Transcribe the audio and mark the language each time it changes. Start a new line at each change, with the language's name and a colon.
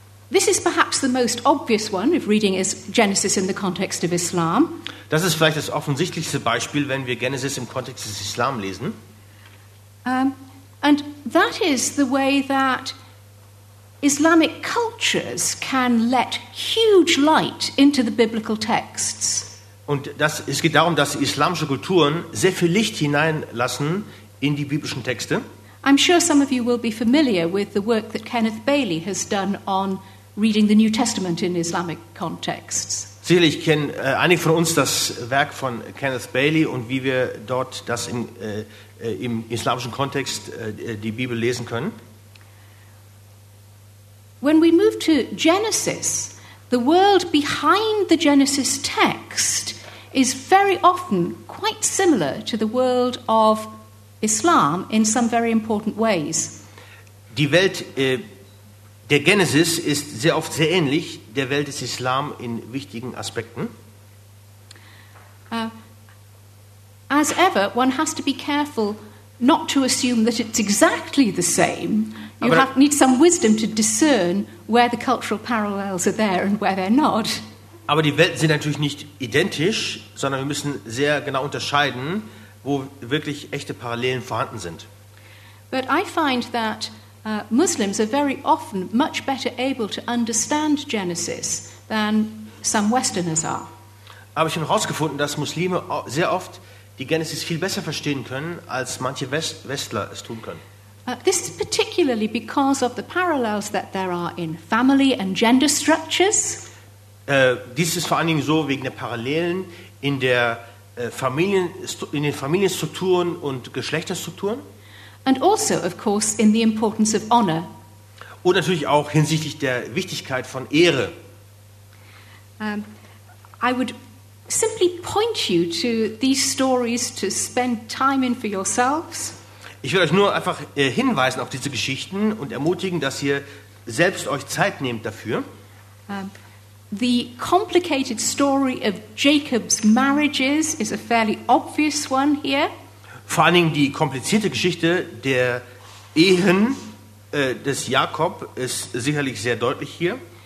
English: This is perhaps the most obvious one if reading is Genesis in the context of Islam.
German: Das ist vielleicht das offensichtlichste Beispiel, wenn wir Genesis im Kontext des Islam lesen.
English: And that is the way that Islamic cultures can let huge light into the biblical texts.
German: Und das, es geht darum, dass islamische Kulturen sehr viel Licht hineinlassen in die biblischen Texte.
English: I'm sure some of you will be familiar with the work that Kenneth Bailey has done on reading the New Testament in Islamic contexts.
German: Sicherlich kennen einige von uns das Werk von Kenneth Bailey und wie wir dort das im islamischen Kontext die Bibel lesen können.
English: When we move to Genesis, the world behind the Genesis text is very often quite similar to the world of Islam in some very important ways.
German: Die Welt der Genesis ist sehr oft sehr ähnlich der Welt des Islam in wichtigen Aspekten.
English: As ever, one has to be careful not to assume that it's exactly the same. You need some wisdom to discern where the cultural parallels are there and where they're not.
German: Aber die Welten sind natürlich nicht identisch, sondern wir müssen sehr genau unterscheiden, wo wirklich echte Parallelen vorhanden sind.
English: But I find that Muslims are very often much better able to understand Genesis than some Westerners are.
German: Aber ich habe herausgefunden, dass Muslime sehr oft die Genesis viel besser verstehen können, als manche Westler es tun können.
English: This is particularly because of the parallels that there are in family and gender structures.
German: Dies ist vor allen Dingen so wegen der Parallelen in der Familien, in den Familienstrukturen und Geschlechterstrukturen.
English: And also, of course, in the importance of honor.
German: Und natürlich auch hinsichtlich der Wichtigkeit von Ehre.
English: I would simply point you to these stories to spend time in for yourselves.
German: Ich will euch nur einfach hinweisen auf diese Geschichten und ermutigen, dass ihr selbst euch Zeit nehmt dafür.
English: The complicated story of Jacob's marriages is a fairly obvious one here.
German: Vor allen Dingen die komplizierte Geschichte der Ehen des Jakob ist sicherlich sehr deutlich hier.